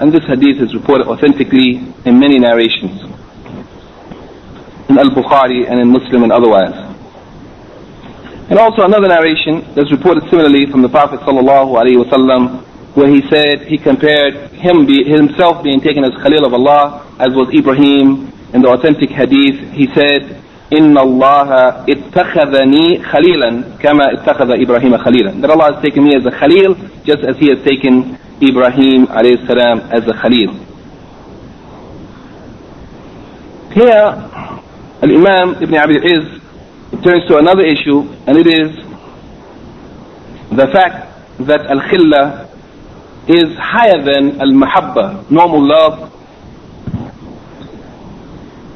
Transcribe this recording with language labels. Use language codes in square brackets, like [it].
[en] And this hadith is reported authentically in many narrations, in Al-Bukhari and in Muslim and otherwise. And also another narration that's reported similarly from the Prophet sallallahu alayhi wa sallam, where he said he compared himself being taken as khalil of Allah, as was Ibrahim. In the authentic hadith, he said, [ar] إِنَّ اللَّهَ اتَّخَذَنِي خَلِيلًا كَمَا اتَّخَذَ إِبْرَاهِيمَ خَلِيلًا. [en] That Allah has taken me as a khalil, just as He has taken Ibrahim alayhi salam as a khalil. Here, Al-Imam Ibn Abi Al-Iz turns to another issue, and it is the fact that Al-Khilla is higher than Al-Mahabba, normal love.